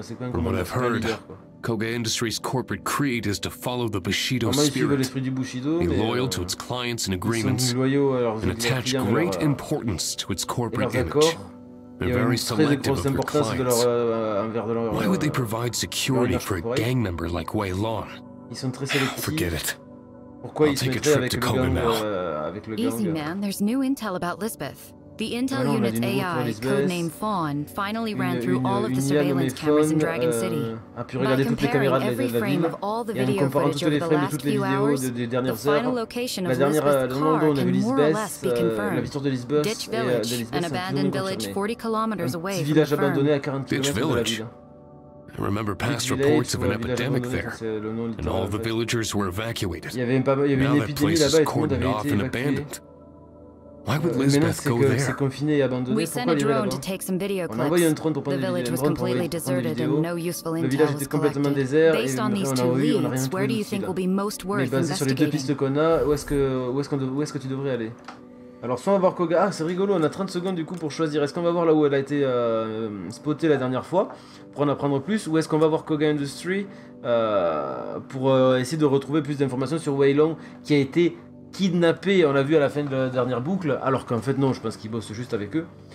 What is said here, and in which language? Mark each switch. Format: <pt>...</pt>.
<en>From what I've heard, Koga Industries' corporate creed is to follow the Bushido spirit, be loyal to its clients and agreements, and attach great importance to its corporate image. They're very selective of their clients. Why would they provide security for a gang member like Wei Long?</en> <fr>Ils sont très sélectifs.</fr> <en>Forget it.</en> <fr>Pourquoi ils se mettraient avec le gang, avec le gang?</fr> <en>Easy man, there's new intel about Lisbeth. The intel unit's AI, codenamed Fawn, finally ran through all of the surveillance cameras in Dragon City. By comparing every frame of all the video footage over the last few hours, the final location of Lisbeth's car can more or less be confirmed. Ditch Village, an abandoned village 40 kilometers away from the farm. Ditch Village? I remember past reports of an epidemic there, and all the villagers were evacuated. Now that place is cordoned off and abandoned. Why would Lisbeth go there? We sent a drone to take some video clips. The village was completely deserted and no useful intel was collected. Based on these two leads, where do you think will be most worth investigating?</en> <fr>Alors soit on va voir Koga, ah c'est rigolo, on a 30 secondes du coup pour choisir, est-ce qu'on va voir là où elle a été spotée la dernière fois, pour en apprendre plus, ou est-ce qu'on va voir Koga Industry pour essayer de retrouver plus d'informations sur Waylong qui a été kidnappé, on l'a vu à la fin de la dernière boucle, alors qu'en fait non, je pense qu'il bosse juste avec eux.</fr>